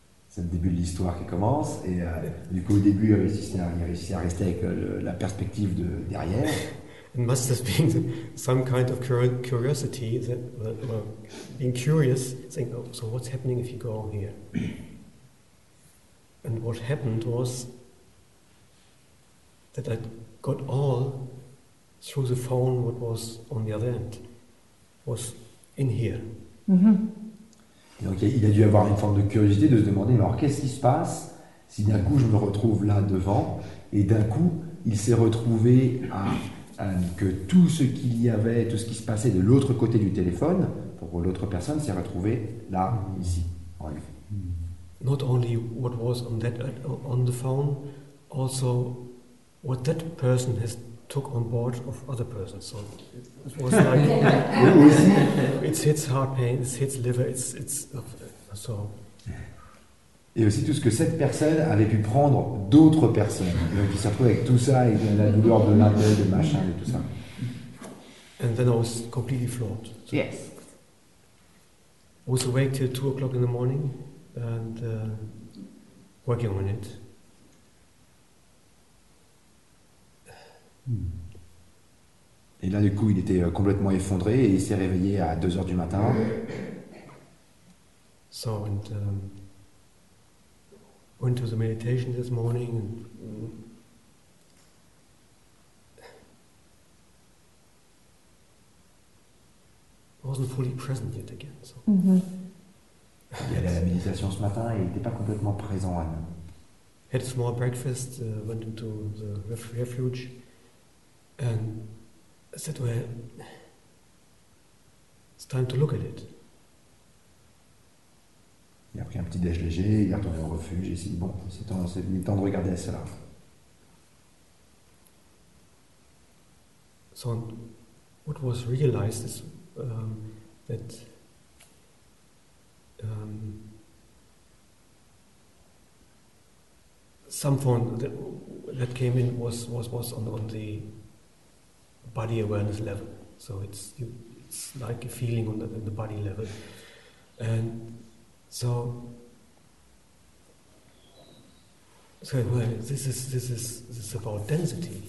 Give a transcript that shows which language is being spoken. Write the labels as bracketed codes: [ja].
[fr] C'est le début de l'histoire qui commence, et du coup au début il réussit à rester avec la perspective de derrière. [en] It must have been some kind of curiosity, that, well, being curious, saying, oh, so what's happening if you go here? And what happened was that I got all through the phone what was on the other end, was in here. Mm-hmm. [fr] Et donc il a dû avoir une forme de curiosité de se demander, mais alors qu'est-ce qui se passe si d'un coup je me retrouve là devant, et d'un coup il s'est retrouvé à que tout ce qu'il y avait, tout ce qui se passait de l'autre côté du téléphone pour l'autre personne s'est retrouvé là, ici, en lui. [en] Not only what was on that on the phone, also what that person has took on board of other persons. So it was like it hits heart pain, it hits liver, it's so. [fr] Et aussi tout ce que cette personne avait pu prendre d'autres personnes. Donc il s'est retrouvé avec tout ça, et la douleur de l'intestin, de machin et tout ça. [en] And then I was completely floored. So yes. I was awake till 2 o'clock in the morning and working on it. [fr] Et là, du coup, il était complètement effondré et il s'est réveillé à 2h du matin. [en] So, and went to the meditation this morning. And wasn't fully present yet again. So. Mm-hmm. [fr] Il allait à la méditation ce matin et il n'était pas complètement présent à nous. [en] Had a small breakfast, went into the refuge. And I said, well, it's time to look at it. [fr] Il a pris un petit déj léger, il est retourné au refuge, et il s'est dit, bon, c'est le temps de regarder à cela. [en] So, what was realized is that some phone that came in was on the body awareness level, so it's like a feeling on the body level, and so well, this is about density.